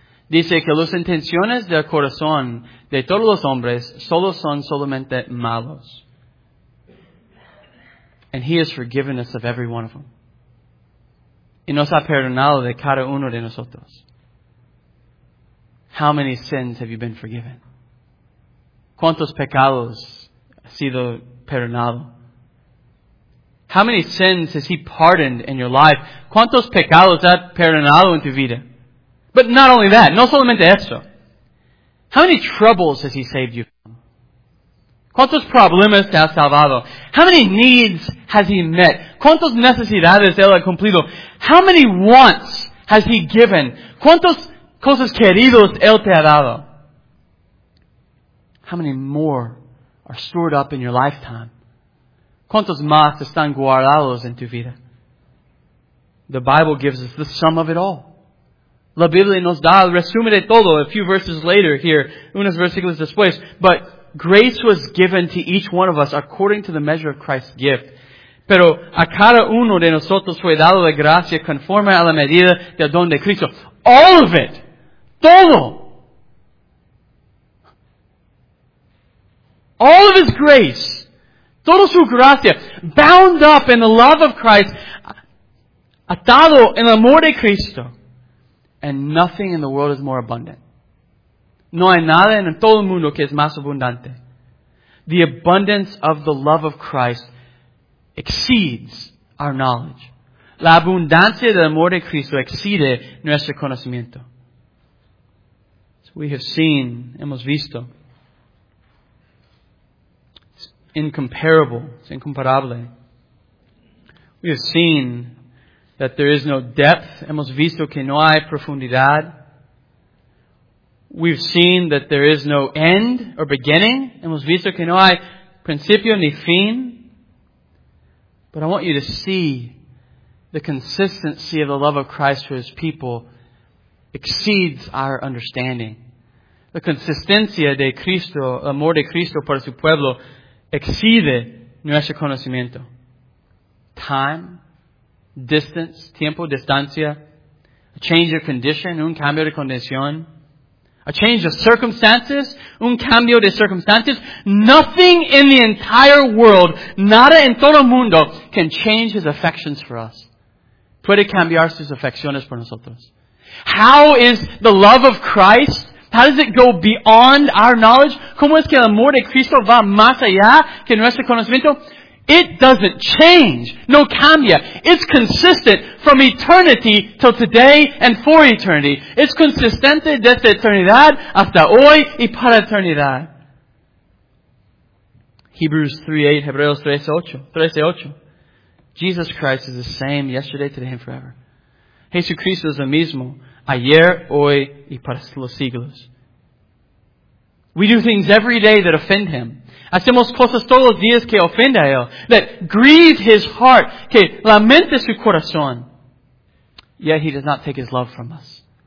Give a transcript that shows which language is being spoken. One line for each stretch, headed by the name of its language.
Spanish: Dice que las intenciones del corazón de todos los hombres solo son solamente malos.
English: And He has forgiven us of every one of them.
Spanish: Y nos ha perdonado de cada uno de nosotros.
English: How many sins have you been forgiven?
Spanish: ¿Cuántos pecados ha sido perdonado?
English: How many sins has He pardoned in your life?
Spanish: ¿Cuántos pecados ha perdonado en tu vida?
English: But not only that,
Spanish: no solamente esto.
English: How many troubles has He saved you from?
Spanish: ¿Cuántos problemas te ha salvado?
English: How many needs has He met?
Spanish: ¿Cuántas necesidades Él ha cumplido?
English: How many wants has He given?
Spanish: ¿Cuántos cosas queridos Él te ha dado?
English: How many more are stored up in your lifetime?
Spanish: ¿Cuántos más están guardados en tu vida?
English: The Bible gives us the sum of it all.
Spanish: La Biblia nos da el resumen de todo
English: a few verses later here,
Spanish: unos versículos después.
English: But grace was given to each one of us according to the measure of Christ's gift.
Spanish: Pero a cada uno de nosotros fue dado la gracia conforme a la medida del don de Cristo.
English: All of it!
Spanish: Todo.
English: All of His grace.
Spanish: Toda su gracia.
English: Bound up in the love of Christ.
Spanish: Atado en el amor de Cristo.
English: And nothing in the world is more abundant.
Spanish: No hay nada en todo el mundo que es más abundante.
English: The abundance of the love of Christ exceeds our knowledge.
Spanish: La abundancia del amor de Cristo exceede nuestro conocimiento.
English: We have seen,
Spanish: hemos visto,
English: incomparable. It's incomparable. We have seen that there is no depth.
Spanish: Hemos visto que no hay profundidad.
English: We've seen that there is no end or beginning.
Spanish: Hemos visto que no hay principio ni fin.
English: But I want you to see the consistency of the love of Christ for His people exceeds our understanding.
Spanish: La consistencia de Cristo, el amor de Cristo para su pueblo, exceede nuestro conocimiento.
English: Time, distance,
Spanish: tiempo, distancia,
English: a change of condition,
Spanish: un cambio de condición,
English: a change of circumstances,
Spanish: un cambio de circunstancias.
English: Nothing in the entire world,
Spanish: nada en todo el mundo,
English: can change His affections for us.
Spanish: Puede cambiar sus afecciones por nosotros.
English: How is the love of Christ? How does it go beyond our knowledge?
Spanish: ¿Cómo es que el amor de Cristo va más allá que nuestro conocimiento?
English: It doesn't change.
Spanish: No cambia.
English: It's consistent from eternity till today and for eternity.
Spanish: It's consistente desde eternidad hasta hoy y para eternidad.
English: Hebreos 3:8. Jesus Christ is the same yesterday, today, and forever.
Spanish: Jesucristo es el mismo ayer, hoy, y para los siglos.
English: We do things every day that offend Him.
Spanish: Hacemos cosas todos los días que ofende a Él,
English: that grieve His heart,
Spanish: que lamente su corazón.
English: Yet He does not take His love from us.